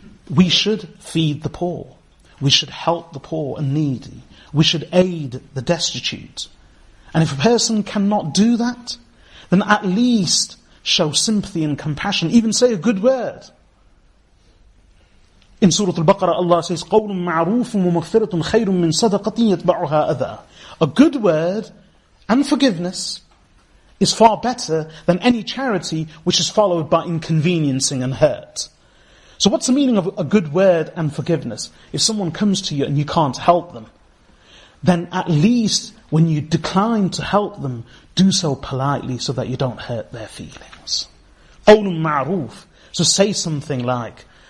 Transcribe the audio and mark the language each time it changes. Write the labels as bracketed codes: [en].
[en] We should feed the poor. We should help the poor and needy. We should aid the destitute. And if a person cannot do that, then at least show sympathy and compassion. Even say a good word. [ar] In Surah Al-Baqarah, Allah says, قَوْلٌ مَعْرُوفٌ وَمَغْفِرَةٌ خَيْرٌ مِّنْ صَدَقَةٍ يَتْبَعُهَا أَذَى. [en] A good word and forgiveness is far better than any charity which is followed by inconveniencing and hurt. So what's the meaning of a good word and forgiveness? If someone comes to you and you can't help them, then at least when you decline to help them, do so politely so that you don't hurt their feelings. [ar] قول معروف. [en] So say something like,